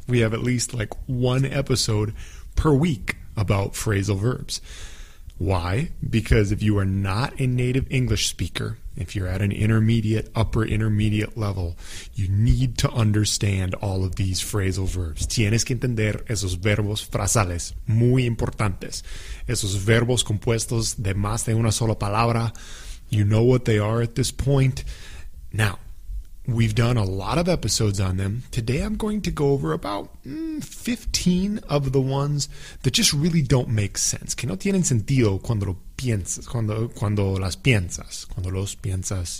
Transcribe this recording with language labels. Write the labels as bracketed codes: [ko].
[en] We have at least like one episode per week about phrasal verbs. Why? Because if you are not a native English speaker, if you're at an intermediate, upper intermediate level, you need to understand all of these phrasal verbs. [es] Tienes que entender esos verbos frasales, muy importantes. Esos verbos compuestos de más de una sola palabra. [en] You know what they are at this point. Now, we've done a lot of episodes on them. Today, I'm going to go over about 15 of the ones that just really don't make sense. [es] Que no tienen sentido cuando los piensas.